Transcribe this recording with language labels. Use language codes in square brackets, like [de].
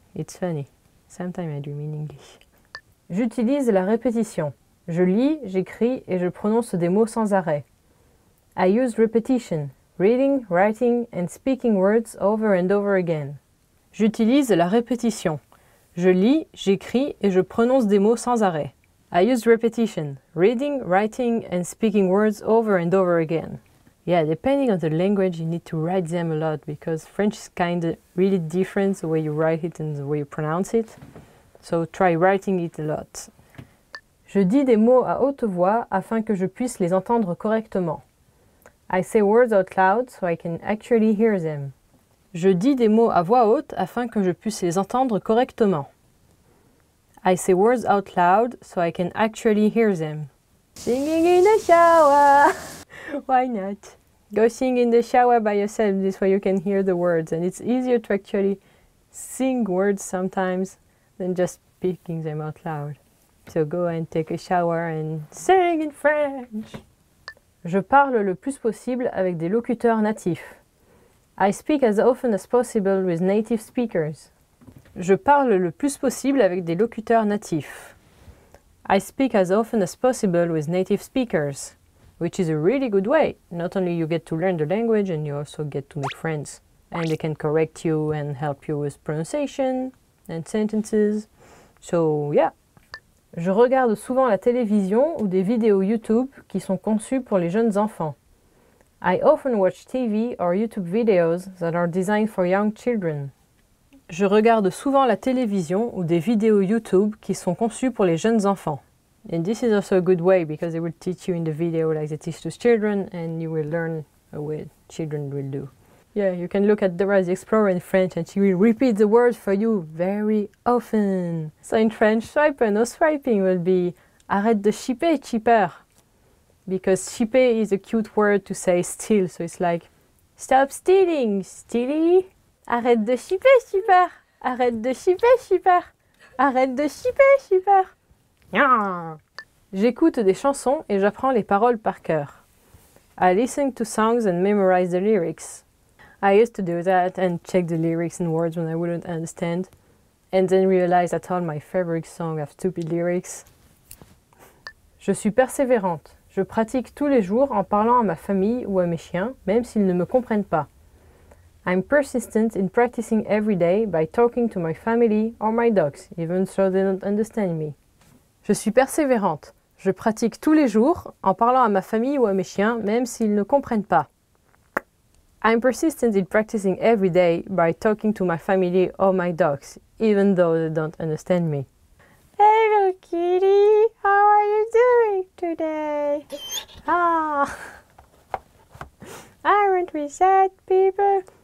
[en] It's funny. Sometimes I dream in English. [fr] J'utilise la répétition. Je lis, j'écris et je prononce des mots sans arrêt. [en] I use repetition, reading, writing and speaking words over and over again. [fr] J'utilise la répétition. Je lis, j'écris et je prononce des mots sans arrêt. [en] I use repetition, reading, writing and speaking words over and over again. Yeah, depending on the language, you need to write them a lot because French is kind of really different the way you write it and the way you pronounce it. So try writing it a lot. [fr] Je dis des mots à haute voix afin que je puisse les entendre correctement. [en] I say words out loud so I can actually hear them. [fr] Je dis des mots à voix haute afin que je puisse les entendre correctement. [en] I say words out loud so I can actually hear them. Singing in the shower! Why not? Go sing in the shower by yourself, this way you can hear the words. And it's easier to actually sing words sometimes than just speaking them out loud. So go and take a shower and sing in French! [fr] Je parle le plus possible avec des locuteurs natifs. [en] I speak as often as possible with native speakers. [fr] Je parle le plus possible avec des locuteurs natifs. [en] I speak as often as possible with native speakers, which is a really good way. Not only you get to learn the language and you also get to make friends. And they can correct you and help you with pronunciation and sentences. So, yeah. [fr] Je regarde souvent la télévision ou des vidéos YouTube qui sont conçues pour les jeunes enfants. [en] I often watch TV or YouTube videos that are designed for young children. [fr] Je regarde souvent la télévision ou des vidéos YouTube qui sont conçues pour les jeunes enfants. [en] And this is also a good way because they will teach you in the video like they teach to children and you will learn what children will do. Yeah, you can look at Dora the Explorer in French and she will repeat the words for you very often. So in French, swiper, no swiping will be [fr] arrête de chipper, chipper. [en] Because chipper is a cute word to say steal, so it's like stop stealing, steely. [fr] Arrête de chipper, chipper. Arrête de chipper, chipper. Arrête de chipper, chipper. J'écoute des chansons et j'apprends les paroles par cœur. [en] I listen to songs and memorize the lyrics. I used to do that and check the lyrics and words when I wouldn't understand and then realize that all my favorite songs have stupid lyrics. [fr] Je suis persévérante. Je pratique tous les jours en parlant à ma famille ou à mes chiens, même s'ils ne me comprennent pas. [en] I'm persistent in practicing every day by talking to my family or my dogs, even though they don't understand me. [fr] Je suis persévérante. Je pratique tous les jours en parlant à ma famille ou à mes chiens, même s'ils ne comprennent pas. [en] I'm persistent in practicing every day by talking to my family or my dogs, even though they don't understand me. Hello kitty, how are you doing today? Aren't we sad people?